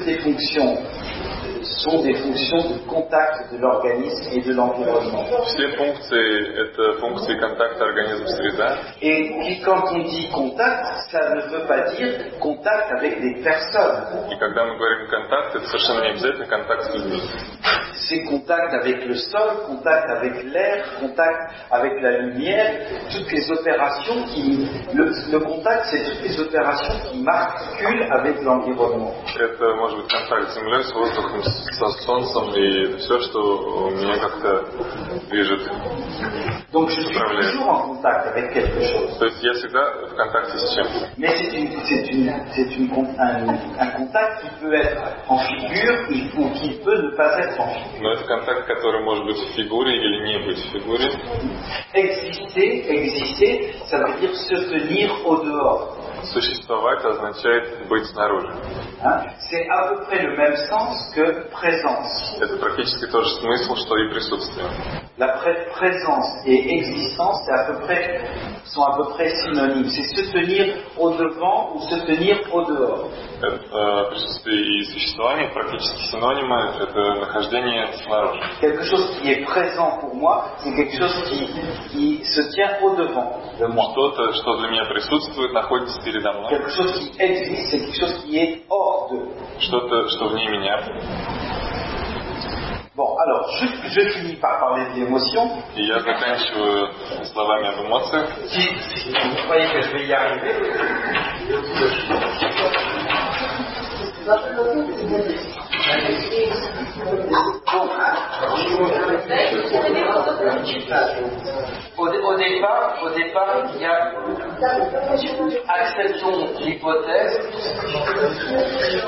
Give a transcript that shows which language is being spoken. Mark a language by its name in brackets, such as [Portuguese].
[French] Sont des fonctions de contact de l'organisme et de l'environnement. [Russian] Все функции это функции контакта организма среда. [French] Et quand on dit contact, ça ne veut pas dire contact avec des personnes. [Russian] И когда мы говорим контакт, это совершенно не обязательно контакт с людьми. [French] C'est contact avec le sol, contact avec l'air, contact avec la lumière, toutes les opérations qui le contact, c'est toutes les opérations qui marquent avec l'environnement. [Russian] Это может быть контакт с землей, с воздухом. Со солнцем и все, что меня как-то движет. [French] Donc, je suis toujours en contact avec quelque chose. [Russian] То есть я всегда в контакте с чем-то. [French] Mais c'est un contact qui peut être en figure ou qui peut ne pas être en figure. [Russian] Но это контакт, который может быть в фигуре или не быть в фигуре. [French] Exister, ça veut dire se tenir au dehors. [Russian] Существовать означает быть снаружи. [French] C'est à peu près le même sens que présence. [Russian] Это практически тот же смысл, что и присутствие. [French] La présence et existence sont à peu près synonymes. C'est se tenir au devant ou se tenir au dehors. [Russian] Присутствие и существование практически синонимы. Это нахождение снаружи. [French] Quelque chose qui est présent pour moi, c'est quelque chose qui se tient au devant de moi. [Russian] Что-то, что для меня присутствует, находится передо мной. [French] Quelque chose qui existe, c'est quelque chose qui est hors de. [Russian] Что-то, что вне меня. [French] Bon, alors, je finis par parler de l'émotion. [Russian] Et я заканчиваю словами об эмоциях. [French] Si vous croyez que je vais y arriver. Au départ, il y a acceptons l'hypothèse.